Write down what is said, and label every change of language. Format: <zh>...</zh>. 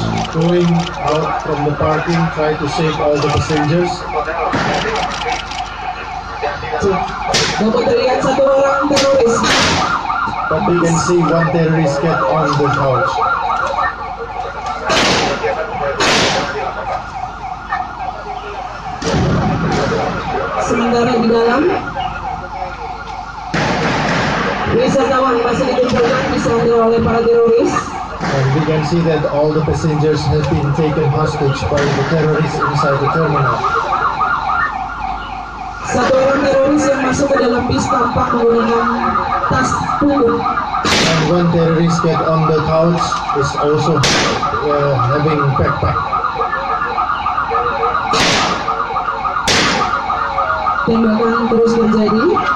<en>Going out from the parking, try to save all the passengers.</en> <id>Dapat terlihat satu orang teroris.</id> <en>But we can see one terrorist get on the couch.</en> <id>Sementara di dalam, wisatawan masih dikumpulkan disandera oleh para teroris.</id> <en>And we can see that all the passengers have been taken hostage by the terrorists inside the terminal.</en> <id>Satu orang teroris yang masuk ke dalam bis tampak menggunakan tas punggung.</id> <en>And one terrorist get on the couch is also having backpack.</en> <id>Tembakan terus terjadi.</id>